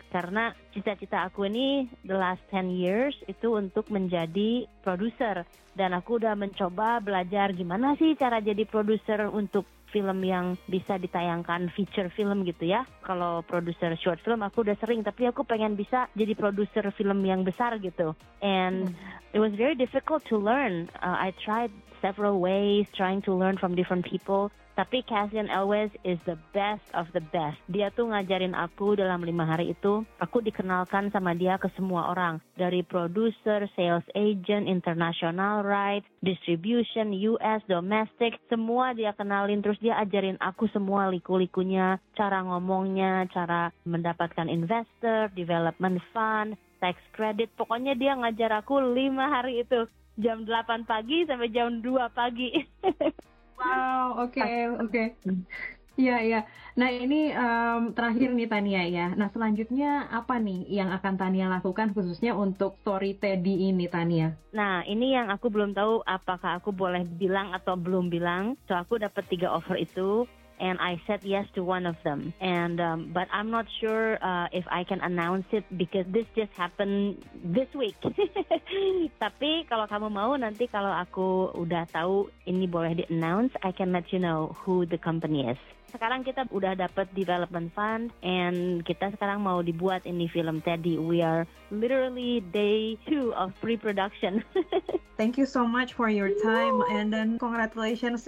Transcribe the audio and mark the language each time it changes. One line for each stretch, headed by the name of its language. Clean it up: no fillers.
Indonesian: Karena cita-cita aku ini
English: the last 10 years
Indonesian: itu untuk menjadi produser, dan aku udah mencoba belajar gimana sih cara jadi produser untuk film yang bisa ditayangkan feature film gitu ya. Kalau produser short film aku udah sering, tapi aku pengen bisa jadi produser film yang besar gitu.
English: And it was very difficult to learn. I tried several ways trying to learn from different people.
Indonesian: Tapi
English: Cassian Elwes is the best of the best.
Indonesian: Dia tuh ngajarin aku dalam 5 hari itu. Aku dikenalkan sama dia ke semua orang. Dari producer, sales agent, international rights, distribution, US, domestic. Semua dia kenalin. Terus dia ajarin aku semua liku-likunya. Cara ngomongnya, cara mendapatkan investor, development fund, tax credit. Pokoknya dia ngajar aku 5 hari itu. Jam 8 pagi sampai jam 2 pagi. Wow, oke. Iya. Nah, ini terakhir nih Tania ya. Nah, selanjutnya apa nih yang akan Tania lakukan khususnya untuk story Teddy ini, Tania? Nah, ini yang aku belum tahu apakah aku boleh bilang atau belum bilang. So, aku dapat 3 offer itu.
English: And I said yes to one of them. And but I'm not sure if I can announce it because this just happened this week.
Indonesian: Tapi kalau kamu mau nanti kalau aku udah tahu ini boleh di announce,
English: I can let you know who the company is.
Indonesian: Sekarang kita udah dapat development fund and kita sekarang mau dibuat ini film Teddy.
English: We are literally day 2 of pre-production. Thank you so much for your time and then congratulations.